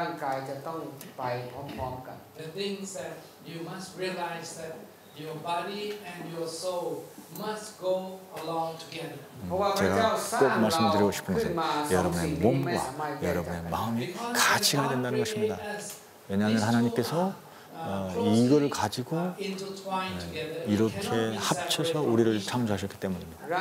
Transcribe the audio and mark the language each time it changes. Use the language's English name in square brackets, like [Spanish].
[Thai] จิตวิญญาณของท่านและร่างกายจะต้องไปพร้อมๆกัน [English] The things that you must realize that your body and your soul must go along together. [Korean] 제가 꼭 말씀드리고 싶은 것은 여러분의 몸과 여러분의 마음이 같이 가야 된다는 것입니다. 왜냐하면 하나님께서 이걸 가지고 이렇게 합쳐서 우리를 창조하셨기 때문입니다.